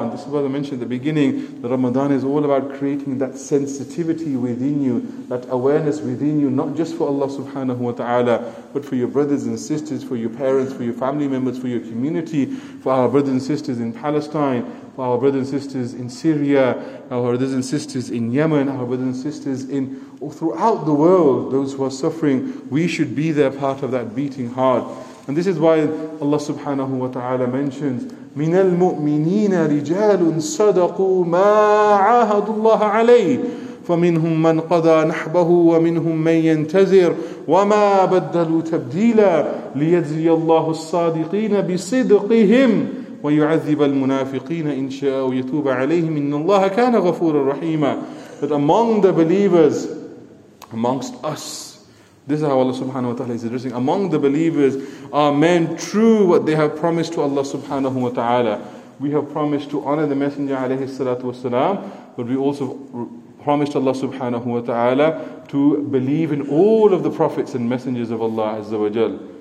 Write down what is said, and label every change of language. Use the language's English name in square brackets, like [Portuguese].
[English] And this is what I mentioned at the beginning, that Ramadan is all about creating that sensitivity within you, that awareness within you, not just for Allah subhanahu wa ta'ala, but for your brothers and sisters, for your parents, for your family members, for your community, for our brothers and sisters in Palestine, for our brothers and sisters in Syria, our brothers and sisters in Yemen, our brothers and sisters in throughout the world, those who are suffering. We should be there, part of that beating heart. [Arabic] And this is why Allah subhanahu wa ta'ala mentions, مِنَ الْمُؤْمِنِينَ رِجَالٌ صَدَقُوا مَا عَاهَدُ اللَّهَ عَلَيْهِ فَمِنْهُمْ مَنْ قَضَى نَحْبَهُ وَمِنْهُمْ مَنْ يَنْتَزِرُ وَمَا بَدَّلُوا تَبْدِيلًا لِيَجْزِيَ اللَّهُ الصَّادِقِينَ بِصِدْقِهِمْ وَيُعَذِّبَ الْمُنَافِقِينَ إِنْ شَاءَ وَيَتُوبَ عَلَيْهِمْ إِنَّ اللَّهَ كَانَ غَفُورًا رَحِيمًا. [English] That among the believers, amongst us, this is how Allah subhanahu wa ta'ala is addressing, among the believers are men true what they have promised to Allah subhanahu wa ta'ala. We have promised to honor the Messenger alayhi salatu wasalam, but we also promised Allah subhanahu wa ta'ala to believe in all of the prophets and messengers of Allah azza wa jal.